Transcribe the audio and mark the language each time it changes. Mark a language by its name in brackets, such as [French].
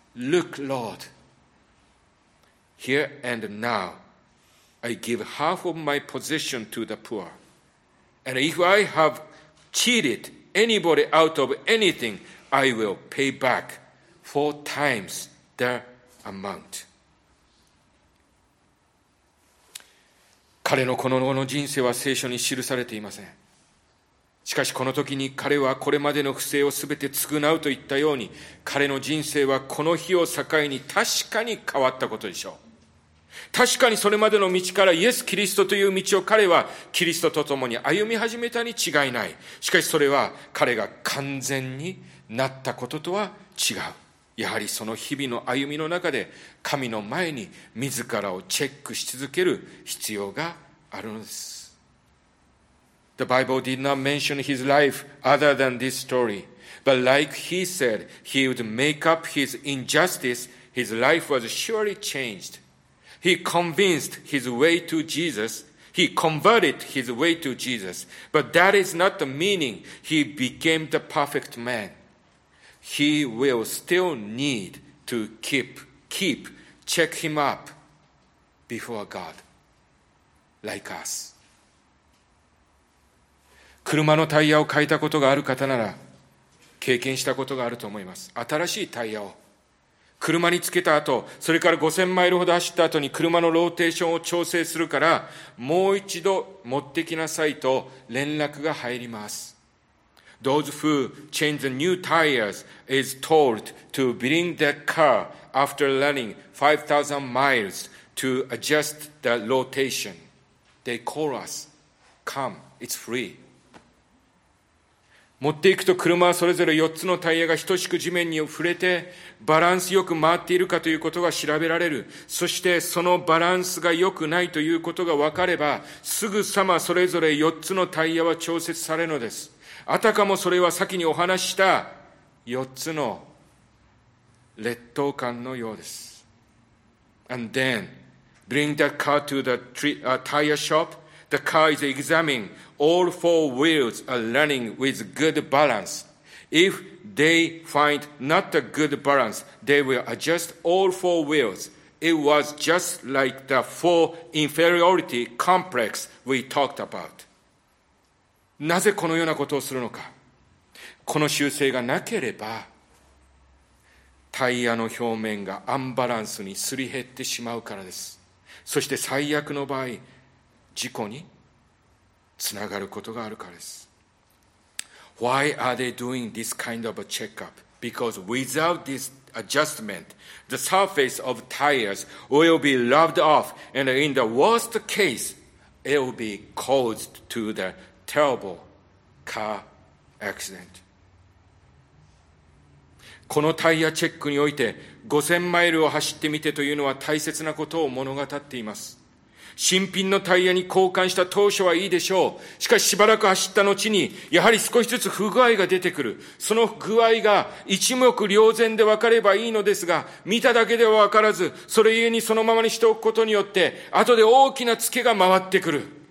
[English] Look, Lord, here and now, I give half of my possession to the poor. And if I have cheated anybody out of anything, I will pay back four times the amount. [Japanese] 彼のこの後の人生は聖書に記されていません。しかしこの時に彼はこれまでの不正をすべて償うと言ったように、彼の人生はこの日を境に確かに変わったことでしょう。確かにそれまでの道からイエス・キリストという道を彼はキリストと共に歩み始めたに違いない。しかしそれは彼が完全になったこととは違う。やはりその日々の歩みの中で神の前に自らをチェックし続ける必要があるのです。 [English] The Bible did not mention his life other than this story. But like he said, he would make up his injustice, his life was surely changed. He convinced his way to Jesus. He converted his way to Jesus. But that is not the meaning. He became the perfect man. He will still need to keep, check him up before God, like us. [Japanese] 車のタイヤを変えたことがある方なら経験したことがあると思います。新しいタイヤを車につけた後、それから5000マイルほど走った後に車のローテーションを調整するからもう一度持ってきなさいと連絡が入ります。 [English] Those who change the new tires is told to bring the car after running 5000 miles to adjust the rotation. They call us. Come, it's free. [Japanese] 持っていくと車はそれぞれ4つのタイヤが等しく地面に触れてバランスよく回っているかということが調べられる。そしてそのバランスが良くないということが分かればすぐさまそれぞれ4つのタイヤは調節されるのです。あたかもそれは先にお話した4つの劣等感のようです。 [English] And then bring that car to the tire shop. The car is examined. All four wheels are running with good balance. If they find not a good balance, they will adjust all four wheels. It was just like the four inferiority complex we talked about. [Japanese] なぜこのようなことをするのか。この修正がなければ、タイヤの表面がアンバランスにすり減ってしまうからです。そして最悪の場合、事故に。つながることがあるからです。 [English] Why are they doing this kind of a checkup? Because without this adjustment, the surface of tires will be rubbed off, and in the worst case, it will be caused to the terrible car accident. [Japanese] このタイヤチェックにおいて5000マイルを走ってみてというのは大切なことを物語っています。新品のタイヤに交換した当初はいいでしょう。しかししばらく走った後にやはり少しずつ不具合が出てくる。その具合が一目瞭然で分かればいいのですが、見ただけでは分からず、それゆえにそのままにしておくことによって後で大きなツケが回ってくる。